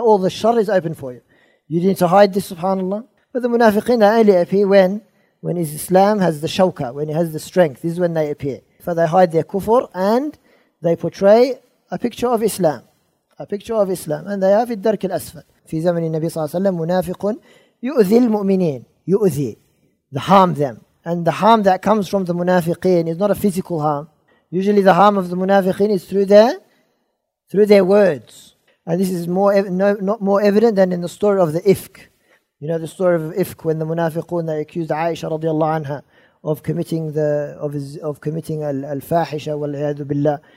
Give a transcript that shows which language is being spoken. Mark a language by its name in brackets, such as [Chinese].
[English] All the shar is open for you. You need to hide this, subhanAllah. But the munafiqeen only appear when Islam has the shawka, when it has the strength. This is when they appear. For they hide their kufr and they portray a picture of Islam. A picture of Islam. And they have [Arabic] الدرك الأسفل. في زمن النبي صلى الله عليه وسلم منافق يؤذي المؤمنين. يؤذي. [English] The harm them. And the harm that comes from the munafiqeen is not a physical harm. Usually the harm of the munafiqeen is through their words. And this is not more evident than in the story of the ifk. You know the story of ifk when the munafiqun they accused Aisha radiallahu anha of committing al-fahisha wal-iyadu billah.